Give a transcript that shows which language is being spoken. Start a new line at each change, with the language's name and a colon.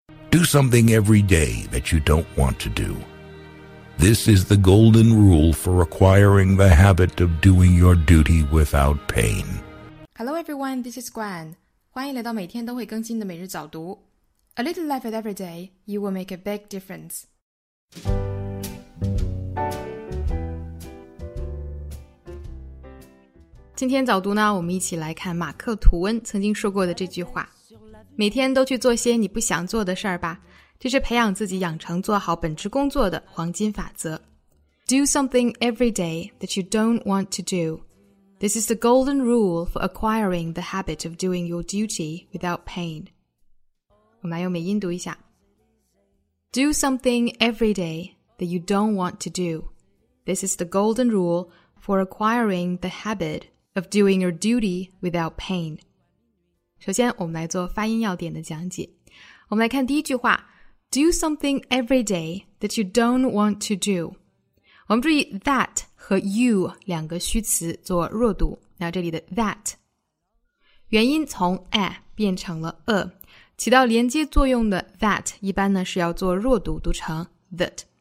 English: Do something every day that you don't want to do. This is the golden rule for acquiring the habit of doing your duty without pain. Hello everyone, this is Gwen.
Chinese: 欢迎来到每天都会更新的每日早读。
English: A little effort every day, you will make a big difference.
Chinese: 今天早读呢，我们一起来看马克吐温曾经说过的这句话，每天都去做些你不想做的事儿吧，这是培养自己养成做好本职工作的黄金法则。
English: Do something every day that you don't want to do. This is the golden rule for acquiring the habit of doing your duty without pain.
Chinese: 我们来用美音读一下。
English: Do something every day that you don't want to do. This is the golden rule for acquiring the habit of doing your duty without pain.
Chinese: 首先我们来做发音要点的讲解。我们来看第一句话，
English: Do something every day that you don't want to do.
Chinese: 我们注意 that 和 you 两个虚词做弱读，那这里的 that 元音从 a 变成了 a， 起到连接作用的 that 一般呢是要做弱读，读成 that。